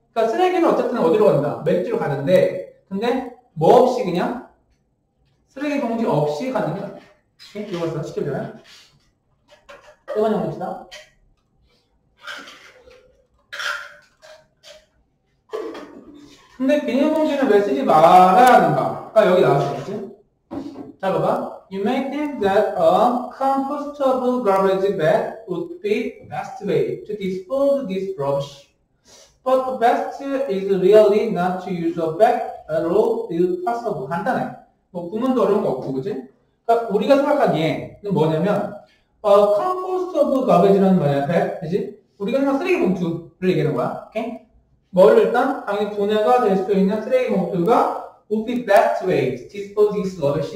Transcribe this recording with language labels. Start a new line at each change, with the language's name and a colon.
Korean: 그러니까, 쓰레기는 어쨌든 어디로 간다? 매립지로 가는데, 근데, 뭐 없이 그냥, 쓰레기 봉지 없이 가는 게 낫다. 오케이? 이거 써, 시켜줘요. 이거 한번 봅시다. 근데 비닐봉지는 왜 쓰지 말아야 하는가? 아까 여기 나왔었지? 자, 봐봐.
English: You may think that a compostable garbage bag would be the best way to dispose this rubbish. But the best is really not to use a bag at all if possible.
Korean: 간단해. 뭐 구문도 어려운 거 없고, 그치? 그러니까 우리가 생각하기에는 뭐냐면
English: a compostable garbage
Korean: 라는 말이야, bag, 그치? 우리가 생각 쓰레기 봉투를 얘기하는 거야, 오케이? 뭘 일단 당연히 분해가 될수 있는 쓰레기 봉투가
English: would be best way to dispose this rubbish.